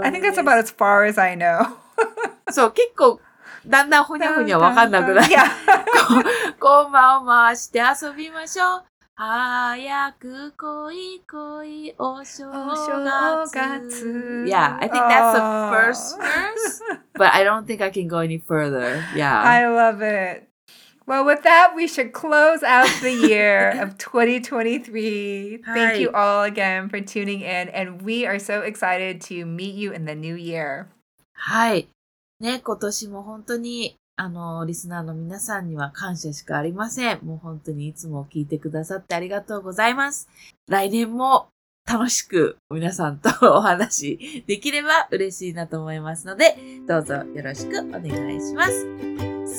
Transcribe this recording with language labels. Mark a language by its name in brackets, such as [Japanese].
[English] I think that's about as far as I know. [Japanese] そう、結構、だんだんほにゃほにゃわかんなくなる。こんばんを回して遊びましょう。早く来い来いお正月。お正月。 [English] Yeah, I think that's the first verse, but I don't think I can go any further. Yeah. I love it. Well, with that, we should close out the year of 2023. Thank you all again for tuning in, and we are so excited to meet you in the new year. [Japanese] はい。ね、今年も本当に、リスナーの皆さんには感謝しかありません。もう本当にいつも聞いてくださってありがとうございます。来年も楽しく皆さんとお話できれば嬉しいなと思いますので、どうぞよろしくお願いします。